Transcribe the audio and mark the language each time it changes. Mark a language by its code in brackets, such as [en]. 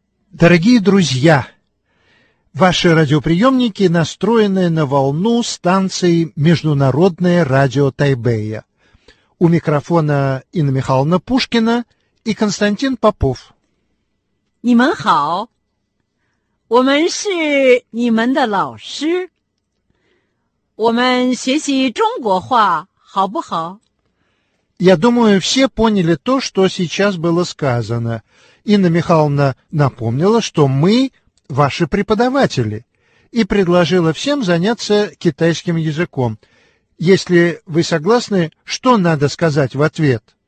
[ru] Дорогие друзья, ваши радиоприемники настроены на волну станции Международное радио Тайбэя. У микрофона Инна Михайловна Пушкина и Константин Попов. [zh] 你们好，我们是你们的老师，我们学习中国话，好不好？ [ru] Я думаю, все поняли то, что сейчас было сказано. Инна Михайловна напомнила, что мы ваши преподаватели, и предложила всем заняться китайским языком. Если вы согласны, что надо сказать в ответ?